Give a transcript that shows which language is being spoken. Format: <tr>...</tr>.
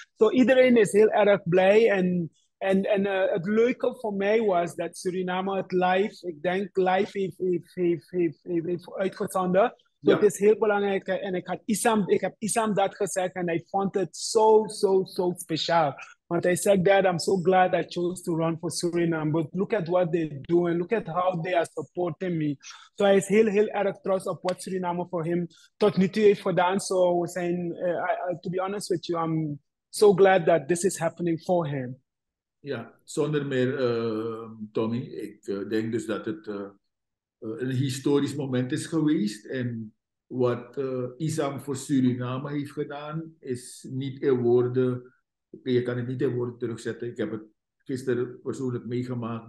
<nl>So iedereen is heel erg blij. En het leuke voor mij was dat Suriname het live, ik denk live, heeft uitgezonden. Dus het is heel belangrijk. En ik heb Issam dat gezegd. En hij vond het zo speciaal.</nl> <en>Want I said that I'm so glad I chose to run for Suriname. But look at what they're doing. Look at how they are supporting me.</en> <nl>So I heel, heel erg trots op wat Suriname voor hem tot nu toe heeft gedaan.</nl> <en>So I was saying, to be honest with you, I'm so glad that this is happening for him.</en> <nl>Ja, zonder meer, Tommy. Ik denk dus dat het een historisch moment is geweest. En wat Issam voor Suriname heeft gedaan, is niet in woorden... Je kan het niet in woorden terugzetten. Ik heb het gisteren persoonlijk meegemaakt.</nl>